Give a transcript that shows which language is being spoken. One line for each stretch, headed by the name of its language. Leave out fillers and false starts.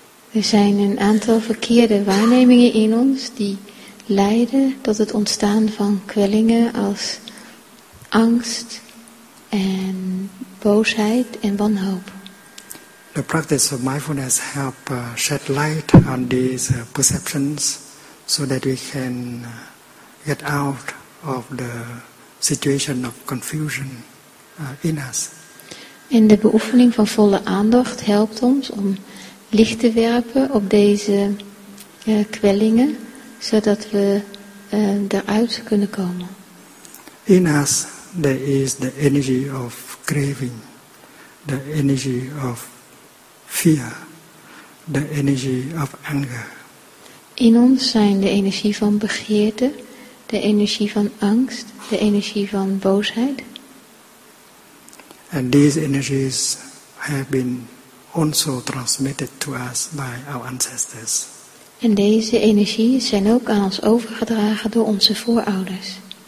Dutch: Er zijn een aantal verkeerde waarnemingen in ons die leiden tot het ontstaan van kwellingen als angst en boosheid en wanhoop.
English: The practice of mindfulness help shed light on these perceptions so that we can get out of the situation of confusion in us.
Dutch: En de beoefening van volle aandacht helpt ons om licht te werpen op deze kwellingen, zodat we eruit kunnen komen.
English: In us there is the energy of craving, the energy of fear, the energy of anger.
Dutch: In ons zijn de energie van begeerte, de energie van angst, de energie van boosheid.
English: And these energies have been also transmitted to us by our ancestors.
Dutch: En deze energieën zijn ook aan ons overgedragen door onze voorouders.